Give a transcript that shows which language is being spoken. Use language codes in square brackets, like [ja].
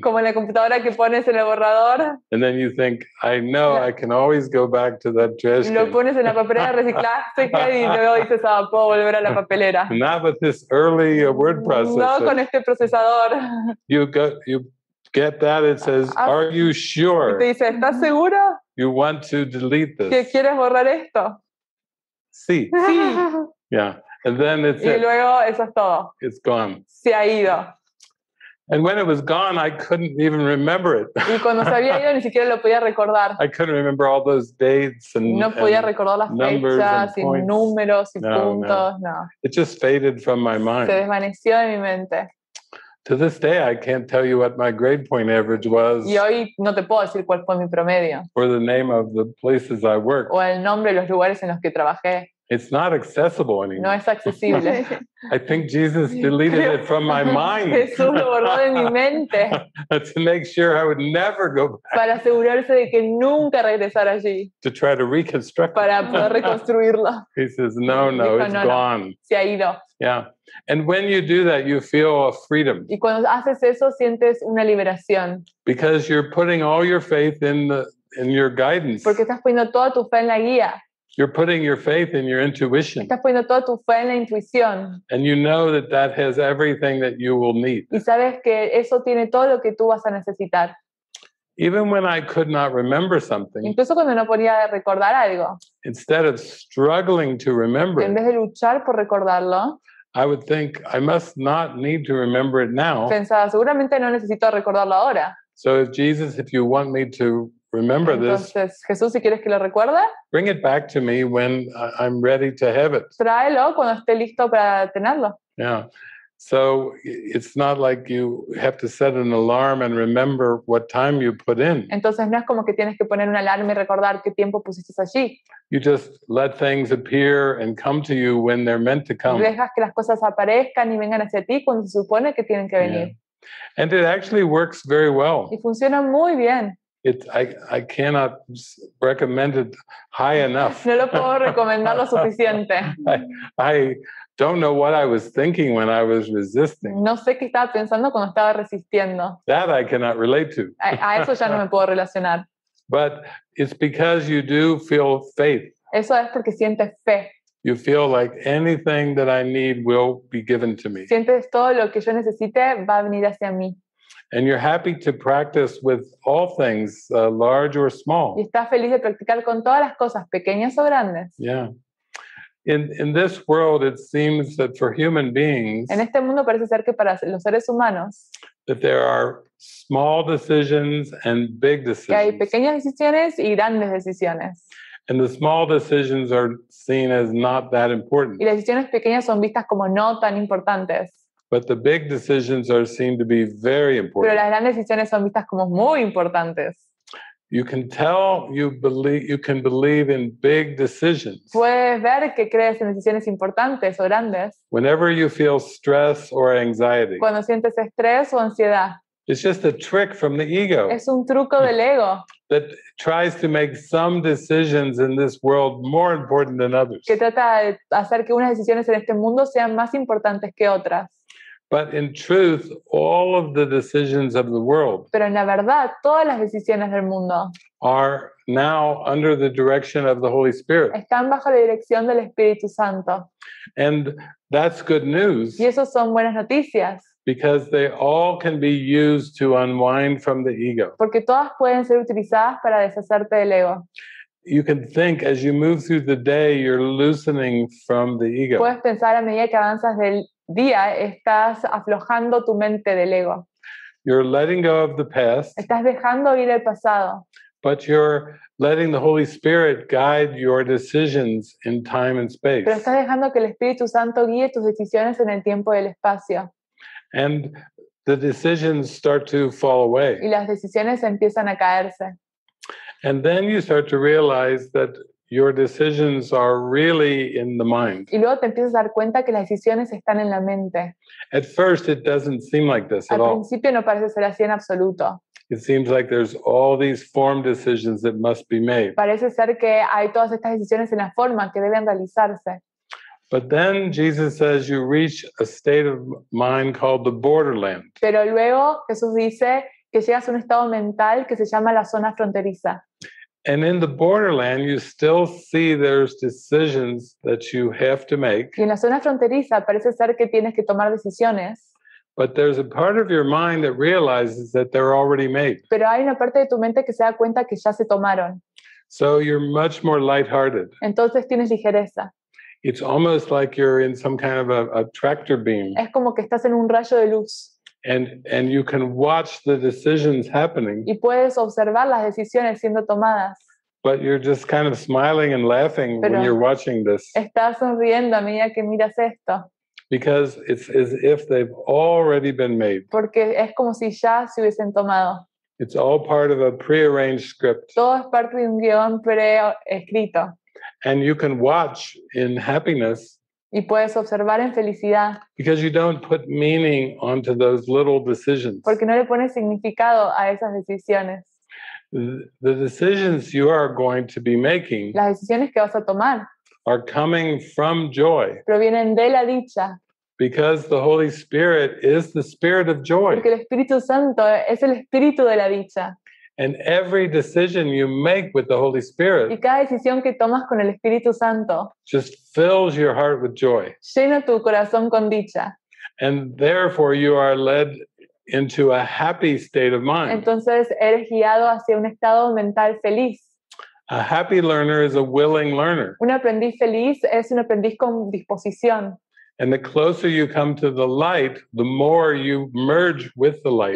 [es] Como en la computadora que pones en el borrador. [en] And then you think, I know I can always go back to that trash can. [es] Lo pones en la papelera de reciclaje y luego dices, ah, puedo volver a la papelera. [en] Not with this early word processor. [es] No con este procesador. [en] You get that, it says, are you sure? [es] Te dice, ¿estás seguro? [en] You want to delete this. [es] ¿Que quieres borrar esto? Sí. Sí. [en] Yeah. And then it's [es] y luego eso es todo. [en] It's gone. [es] Se ha ido. [en] And when it was gone, I couldn't even remember it. [es] Y cuando se había ido, ni siquiera lo podía recordar. [en] I couldn't remember all those dates and [es] no podía recordar las fechas y números y puntos, no. [en] It just faded from my mind. [es] Se desvaneció de mi mente. [en] To this day, I can't tell you what my grade point average was. [es] Y hoy no te puedo decir cuál fue mi promedio. [en] Or the name of the places I worked. [es] O el nombre de los lugares en los que trabajé. [en] It's not accessible anymore. [es] No es accesible. [en] I think Jesus deleted it from my mind. [es] Jesús lo borró de mi mente. [en] To make sure I would never go back. [es] Para asegurarse de que nunca regresara allí. [en] To try to reconstruct. [es] Para poder reconstruirlo. [en] He says, "No, no, [es] dijo, [en] it's [es] no, [en] gone." [es] Se ha ido. [en] Yeah. And when you do that, you feel a freedom. [es] Y cuando haces eso, sientes una liberación. [en] Because you're putting all your faith in your guidance. [es] Porque estás poniendo toda tu fe en la guía. [en] You're putting your faith in your intuition. [es] Estás poniendo toda tu fe en la intuición. [en] And you know that that has everything that you will need. [es] Y sabes que eso tiene todo lo que tú vas a necesitar. [en] Even when I could not remember something. [es] Incluso cuando no podía recordar algo. [en] Instead of struggling to remember. [es] En vez de luchar por recordarlo. [en] I would think I must not need to remember it now. [es] Pensaba, seguramente no necesito recordarlo ahora. [en] So if Jesus, if you want me to remember [es] entonces, [en] this, [es] Jesús, si quieres que lo recuerde, [en] bring it back to me when I'm ready to have it. [es] Tráelo cuando esté listo para tenerlo. [en] Yeah. So it's not like you have to set an alarm and remember what time you put in. [es] Entonces no es como que tienes que poner una alarma y recordar qué tiempo pusiste allí. [en] You just let things appear and come to you when they're meant to come. [es] Dejas que las cosas aparezcan y vengan hacia ti cuando se supone que tienen que venir. [en] Yeah. And it actually works very well. [es] Y funciona muy bien. [en] I cannot recommend it high enough. [es] No lo puedo recomendar lo suficiente. [en] I don't know what I was thinking when I was resisting. [es] No sé qué estaba pensando cuando estaba resistiendo. [en] That I cannot relate to. [es] A eso ya no me puedo relacionar. [en] But it's because you do feel faith. [es] Eso es porque sientes fe. [en] You feel like anything that I need will be given to me. [es] Sientes todo lo que yo necesite va a venir hacia mí. [en] And you're happy to practice with all things, large or small. [es] Y estás feliz de practicar con todas las cosas, pequeñas o grandes. [en] Yeah. In this world, it seems that for human beings, [es] en este mundo parece ser que para los seres humanos, [en] that there are small decisions and big decisions. [es] Que hay pequeñas decisiones y grandes decisiones. [en] And the small decisions are seen as not that important. [es] Y las decisiones pequeñas son vistas como no tan importantes. [en] But the big decisions are seen to be very important. [es] Pero las grandes decisiones son vistas como muy importantes. [en] You can tell you can believe in big decisions. [es] Puedes ver que crees en decisiones importantes o grandes. [en] Whenever you feel stress or anxiety. [es] Cuando sientes estrés o ansiedad. [en] It's just a trick from the ego. [es] Es un truco del ego. [en] That tries to make some decisions in this world more important than others. [es] Que trata de hacer que unas decisiones en este mundo sean más importantes que otras. [en] But in truth, all of the decisions of the world. [es] Pero en la verdad, todas las decisiones del mundo. [en] Are now under the direction of the Holy Spirit. [es] Están bajo la dirección del Espíritu Santo. [en] And that's good news. [es] Y eso son buenas noticias. [en] Because they all can be used to unwind from the ego. [es] Porque todas pueden ser utilizadas para deshacerte del ego. [en] You can think as you move through the day, you're loosening from the ego. [es] Puedes pensar a medida que avanzas del día, estás aflojando tu mente del ego. [en] You're letting go of the past. [es] Estás dejando ir el pasado. [en] But you're letting the Holy Spirit guide your decisions in time and space. [es] Pero estás dejando que el Espíritu Santo guíe tus decisiones en el tiempo y el espacio. [en] And the decisions start to fall away. [es] Y las decisiones empiezan a caerse. [en] And then you start to realize that your decisions are really in the mind. [es] Y luego te empiezas a dar cuenta que las decisiones están en la mente. [en] At first it doesn't seem like this at all. [es] Al principio no parece ser así en absoluto. [en] It seems like there's all these form decisions that must be made. [es] Parece ser que hay todas estas decisiones en la forma que deben realizarse. [en] But then Jesus says you reach a state of mind called the borderland. [es] Pero luego Jesús dice que llegas a un estado mental que se llama la zona fronteriza. [en] And in the borderland you still see there's decisions that you have to make. [es] Y en la zona fronteriza parece ser que tienes que tomar decisiones. [en] But there's a part of your mind that realizes that they're already made. [es] Pero hay una parte de tu mente que se da cuenta que ya se tomaron. [en] So you're much more lighthearted. [es] Entonces tienes ligereza. [en] It's almost like you're in some kind of a tractor beam. [es] Es como que estás en un rayo de luz. [en] And you can watch the decisions happening. [es] Y puedes observar las decisiones siendo tomadas. [en] But you're just kind of smiling and laughing [es] Pero [en] when you're watching this. [es] Estás sonriendo a medida que miras esto. [en] Because it's as if they've already been made. [es] Porque es como si ya se hubiesen tomado. [en] It's all part of a prearranged script. [es] Todo es parte de un guion preescrito. [en] And you can watch in happiness. [es] Y puedes observar en felicidad. [en] Because you don't put meaning onto those little decisions. [es] Porque no le pones significado a esas decisiones. [en] The decisions you are going to be making. [es] Las decisiones que vas a tomar. [en] Are coming from joy. [es] Provienen de la dicha. [en] Because the Holy Spirit is the Spirit of joy. [es] Porque el Espíritu Santo es el Espíritu de la dicha. [en] And every decision you make with the Holy Spirit. [es] Y cada decisión que tomas con el Espíritu Santo. [en] Just fills your heart with joy. [es] Llena tu corazón con dicha. [en] And therefore you are led into a happy state of mind. [es] Entonces eres guiado hacia un estado mental feliz. [en] A happy learner is a willing learner. [es] Un aprendiz feliz es un aprendiz con disposición. [en] And the closer you come to the light, the more you merge with the light.